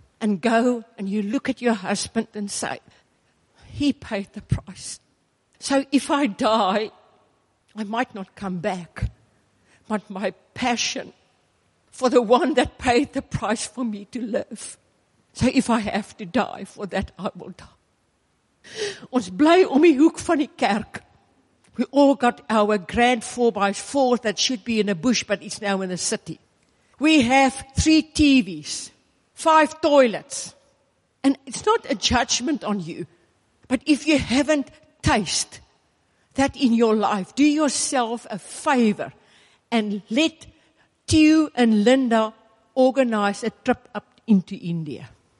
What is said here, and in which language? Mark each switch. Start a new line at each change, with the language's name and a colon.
English: and go and you look at your husband and say, he paid the price. So if I die, I might not come back, but my passion for the one that paid the price for me to live. So if I have to die for that, I will die.
Afrikaans: Ons bly om die hoek van die kerk.
English: We all got our grand 4x4 that should be in a bush, but it's now in a city. We have 3 TVs, 5 toilets. And it's not a judgment on you. But if you haven't tasted that in your life, do yourself a favor and let Tew and Linda organize a trip up into India.